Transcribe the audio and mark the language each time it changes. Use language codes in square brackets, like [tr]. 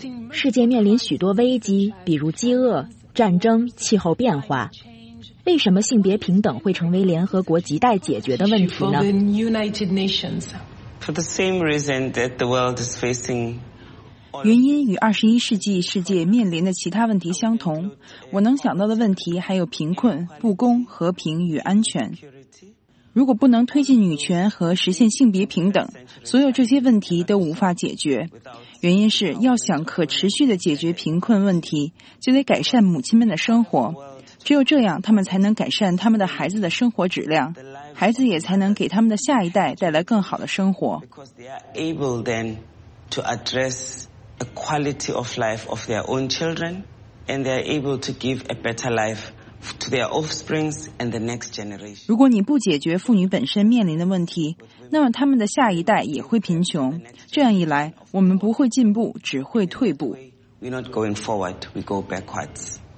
[zh] 世界面临许多危机，比如饥饿、战争、气候变化。为什么性别平等会成为联合国亟待解决的问题呢？ [en] United Nations. For the same reason that the world is facing... [zh] 原因与21世纪世界面临的其他问题相同，我能想到的问题还有贫困、不公、和平与安全。如果不能推进女权和实现性别平等，所有这些问题都无法解决。原因是要想可持续地解决贫困问题，就得改善母亲们的生活，只有这样他们才能改善他们的孩子的生活质量，孩子也才能给他们的下一代带来更好的生活。 [en] To address the quality of life of their own children, and they are able to give a better life to their offsprings and the next generation. [zh] 如果你不解决妇女本身面临的问题，那么他们的下一代也会贫穷。这样一来，我们不会进步，只会退步。 [en] We're not going forward, we go backwards.